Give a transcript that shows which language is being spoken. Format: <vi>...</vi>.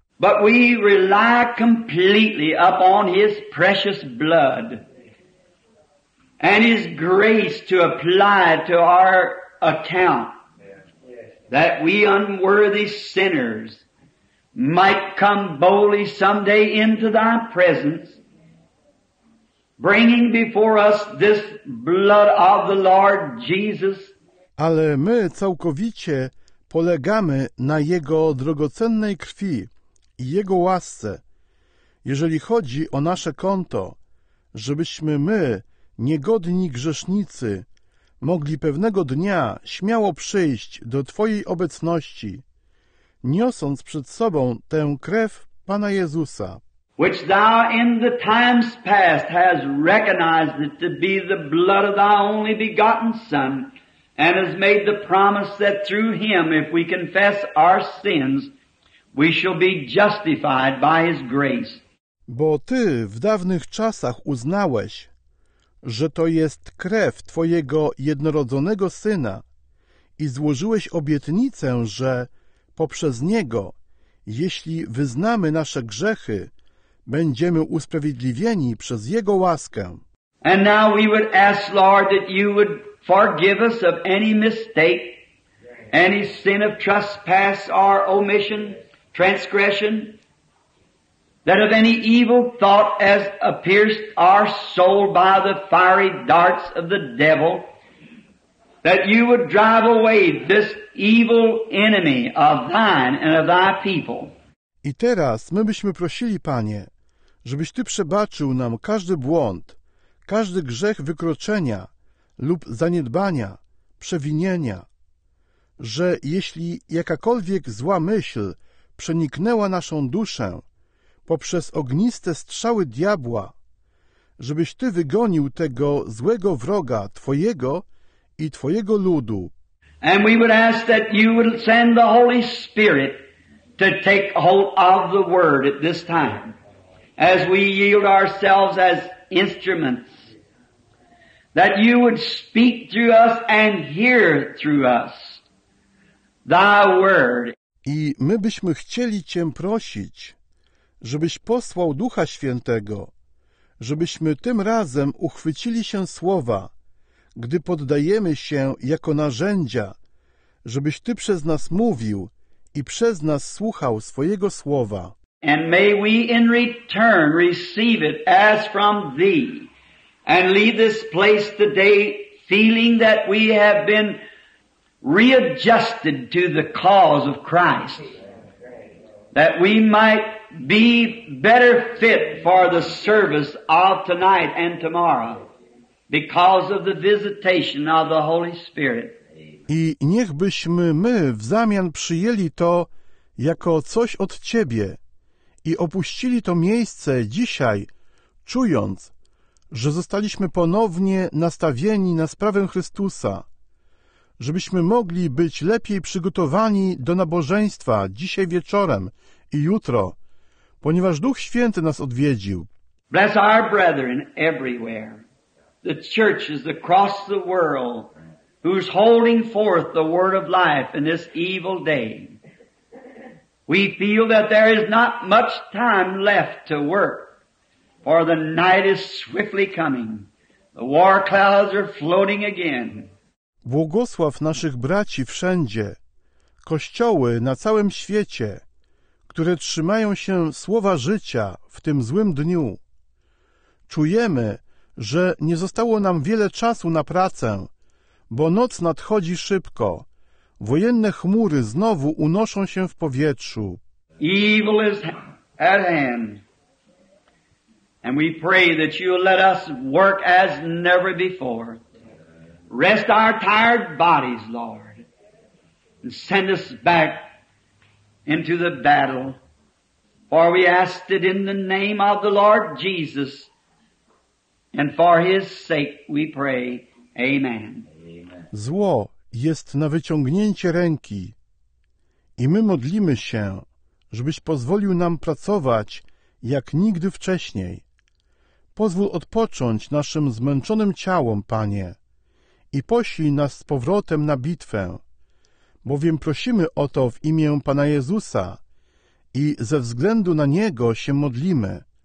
<en>But we rely completely upon His precious blood and His grace to apply to our account that we unworthy sinners might come boldly someday into Thy presence, bringing before us this blood of the Lord Jesus.</en> <pl>Ale my całkowicie polegamy na Jego drogocennej krwi i Jego łasce, jeżeli chodzi o nasze konto, żebyśmy my, niegodni grzesznicy, mogli pewnego dnia śmiało przyjść do Twojej obecności, niosąc przed sobą tę krew Pana Jezusa,</pl> <en>which Thou in the times past has recognized it to be the blood of Thy only begotten Son, and has made the promise that through Him, if we confess our sins, we shall be justified by His grace.</en> <pl>Bo Ty w dawnych czasach uznałeś, że to jest krew Twojego jednorodzonego Syna i złożyłeś obietnicę, że poprzez Niego, jeśli wyznamy nasze grzechy, będziemy usprawiedliwieni przez Jego łaskę.</pl> <en>And now we would ask, Lord, that You would forgive us of any mistake, any sin of trespass or omission, transgression, that of any evil thought as pierced our soul by the fiery darts of the devil, that You would drive away this evil enemy of Thine and of Thy people.</en> <pl>I teraz my byśmy prosili, Panie, żebyś Ty przebaczył nam każdy błąd, każdy grzech wykroczenia lub zaniedbania, przewinienia, że jeśli jakakolwiek zła myśl przeniknęła naszą duszę poprzez ogniste strzały diabła, żebyś Ty wygonił tego złego wroga Twojego i Twojego ludu.</pl> <en>And we would ask that You would send the Holy Spirit to take hold of the Word at this time, as we yield ourselves as instruments, that You would speak through us and hear through us Thy Word.</en> <pl>I my byśmy chcieli Cię prosić, żebyś posłał Ducha Świętego, żebyśmy tym razem uchwycili się Słowa, gdy poddajemy się jako narzędzia, żebyś Ty przez nas mówił i przez nas słuchał swojego Słowa.</pl> <en>And may we in return receive it as from Thee, and leave this place today feeling that we have been readjusted to the cause of Christ, that we might be better fit for the service of tonight and tomorrow because of the visitation of the Holy Spirit.</en> <pl>I niechbyśmy my w zamian przyjęli to jako coś od Ciebie, i opuścili to miejsce dzisiaj, czując, że zostaliśmy ponownie nastawieni na sprawę Chrystusa, żebyśmy mogli być lepiej przygotowani do nabożeństwa dzisiaj wieczorem i jutro, ponieważ Duch Święty nas odwiedził.</pl> <en>Bless our brethren everywhere, the churches across the world, who's holding forth the word of life in this evil day. We feel that there is not much time left to work, for the night is swiftly coming, The war clouds are floating again.</en> <pl>Błogosław naszych braci wszędzie, kościoły na całym świecie, które trzymają się słowa życia w tym złym dniu. Czujemy, że nie zostało nam wiele czasu na pracę, bo noc nadchodzi szybko. Wojenne chmury znowu unoszą się w powietrzu.</pl> <en>Evil is at hand. And we pray that you'll let us work as never before. Rest our tired bodies, Lord, and send us back into the battle. For we ask it in the name of the Lord Jesus, and for his sake we pray. Amen.</en> <pl>Zło jest na wyciągnięcie ręki i my modlimy się, żebyś pozwolił nam pracować jak nigdy wcześniej. Pozwól odpocząć naszym zmęczonym ciałom, Panie, i poślij nas z powrotem na bitwę, bowiem prosimy o to w imię Pana Jezusa i ze względu na Niego się modlimy.</pl>